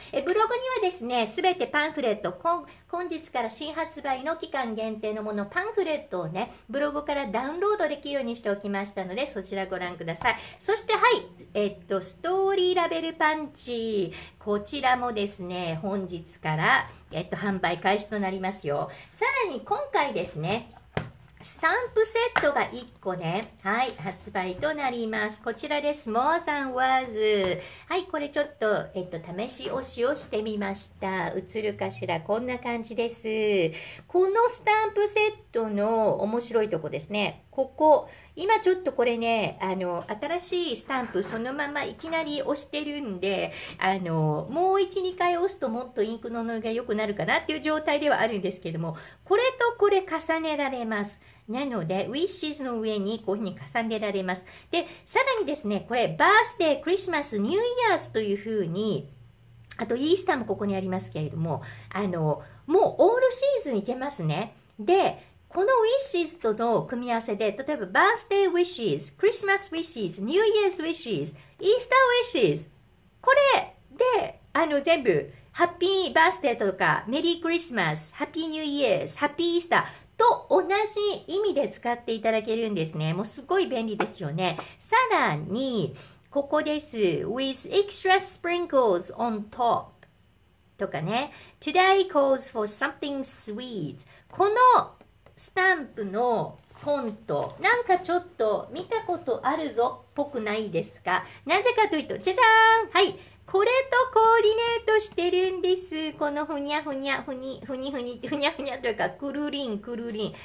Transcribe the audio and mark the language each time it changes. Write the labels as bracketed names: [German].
[Japanese] ブログにはですね、すべてパンフレット、本日から新発売の期間限定のものパンフレットをね、ブログからダウンロードできるようにしておきましたので、そちらご覧ください。そしてはい、ストーリーラベルパンチ、こちらもですね本日から販売開始となりますよ。さらに今回ですね、スタンプセットが1個ね、はい、発売となります。こちらです、 More than words。はい、これちょっと試し押しをしてみました。映るかしら、こんな感じです。このスタンプセットの面白いとこですね、ここ、今ちょっとこれね、新しいスタンプそのままいきなり押してるんで、もう 1,2 回押すともっとインクの乗りが良くなるかなっていう状態ではあるんですけども、これとこれ重ねられます。なので Wishes の上にこういうふうに重ねられます。でさらにですね、これバースデー、クリスマス、ニューイヤーズというふうに、あとイースターもここにありますけれども、もうオールシーズンいけますね。でこの wishes との組み合わせで、例えば birthday wishes、christmas wishes、new year's wishes、easter wishes、これで全部 happy birthday とか merry christmas、happy new year's、happy easter と同じ意味で使っていただけるんですね。もうすごい便利ですよね。さらにここです、 [English] with extra sprinkles on top [Japanese] とかね、 [English] today calls for something sweet。 [Japanese] このスタンプのフォント、なんかちょっと見たことあるぞっぽくないですか？なぜかというと、じゃじゃーん！はい、これとコーディネートしてるんです。このふにゃふにゃふに、ふにふに、ふにゃふにゃというか、くるりんくるりん。